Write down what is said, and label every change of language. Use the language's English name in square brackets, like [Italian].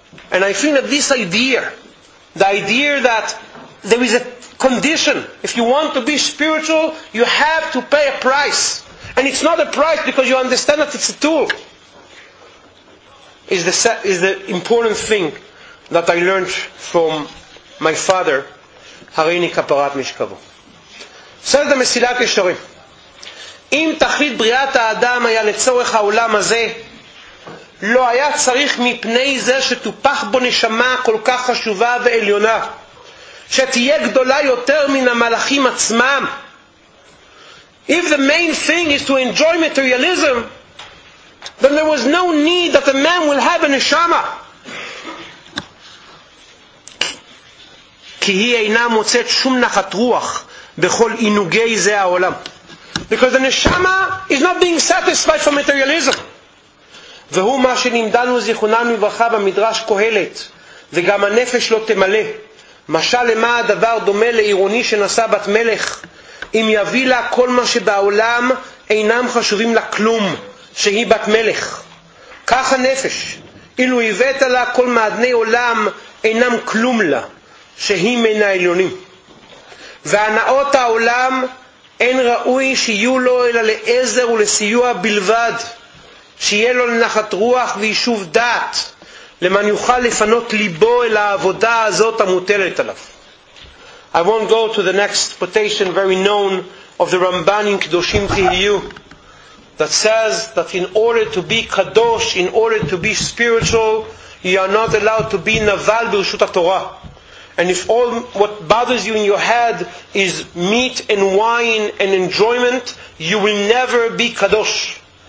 [English] And I think that this idea, the idea that there is a condition, if you want to be spiritual, you have to pay a price. And it's not a price because you understand that it's a tool. Is the important thing that I learned from my father, [Hebrew] Harini Kaparat Mishkavo. Says the Mesilat Yesharim, אם תכלית בריאת האדם היה לצורך העולם הזה, לא היה צריך מפני זה שתופח בו נשמה כל כך חשובה ועליונה, שתהיה גדולה יותר מן המלאכים עצמם. [English] If the main thing is to enjoy materialism, then there was no need that a man will have a neshama. [Hebrew] כי היא אינה מוצאת שום נחת רוח בכל עינוגי זה העולם. [English] Because the neshama is not being satisfied from materialism. [Hebrew] והוא מה שנמדנו זיכרונם לברכה במדרש קהלת, וגם הנפש לא תמלא. משל למה הדבר דומה לעירוני שנשא בת מלך, אם יביא לה כל מה שבעולם אינם חשובים לה כלום, שהיא בת מלך. כך הנפש, אילו הבאת לה כל מעדני עולם אינם כלום לה, שהיא מן העליונים. והנאות העולם אין ראוי שיהיו לו אלא לעזר ולסיוע בלבד, שיהיה לו לנחת רוח ויישוב דעת, למען יוכל לפנות ליבו אל העבודה הזאת המוטלת עליו. [English] I won't go to the next quotation very known of the Ramban in Kedoshim Tihiyu that says that in order to be Kadosh, in order to be spiritual, you are not allowed to be [Hebrew] Naval Birshut HaTorah. [English] And if all what bothers you in your head is meat and wine and enjoyment, you will never be Kadosh.